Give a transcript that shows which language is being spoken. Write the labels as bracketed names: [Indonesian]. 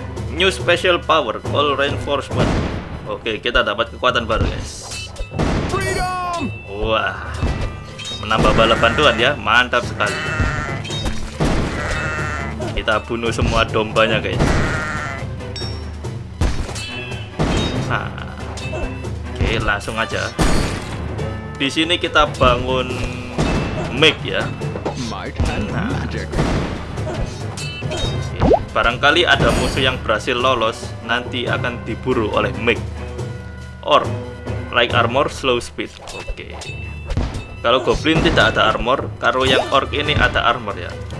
[English] New special power, all reinforcement. [Indonesian] Oke, kita dapat kekuatan baru guys. Wah, menambah bala bantuan ya, mantap sekali. Kita bunuh semua dombanya guys. Nah, oke, langsung aja. Di sini kita bangun mech ya. Nah, barangkali ada musuh yang berhasil lolos, nanti akan diburu oleh mech. [English] Or like armor slow speed. [Indonesian] Oke. Kalau goblin tidak ada armor, kalau yang orc ini ada armor ya.